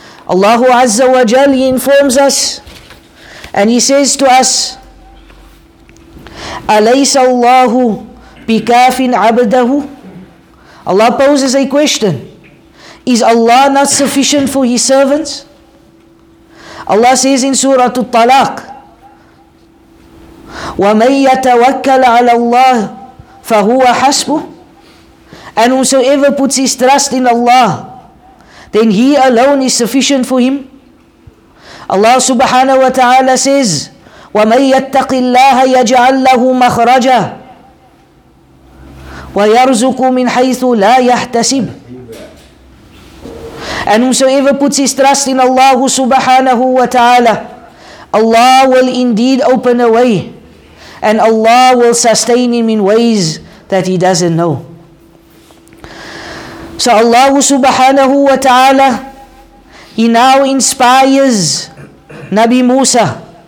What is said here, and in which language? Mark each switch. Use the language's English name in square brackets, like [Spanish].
[English] Allah Azza wa Jal, he informs us, and he says to us, [Arabic] "Alaysa Allah bikafin 'abdahu?" [English] Allah poses a question. Is Allah not sufficient for His servants? Allah says in Surah At-Talaq, [Arabic] وَمَنْ يَتَوَكَّلَ عَلَى اللَّهِ فَهُوَ حَسْبُهُ. [English] And whosoever puts his trust in Allah, then He alone is sufficient for him. Allah subhanahu wa ta'ala says, [Arabic] وَمَنْ يَتَّقِ اللَّهَ يَجْعَلْ لَهُ مَخْرَجًا وَيَرْزُقُ مِنْ حَيْثُ لَا يَحْتَسِبُ. [English] And whosoever puts his trust in Allah subhanahu wa ta'ala, Allah will indeed open a way, and Allah will sustain him in ways that he doesn't know. So Allah subhanahu wa ta'ala, he now inspires Nabi Musa.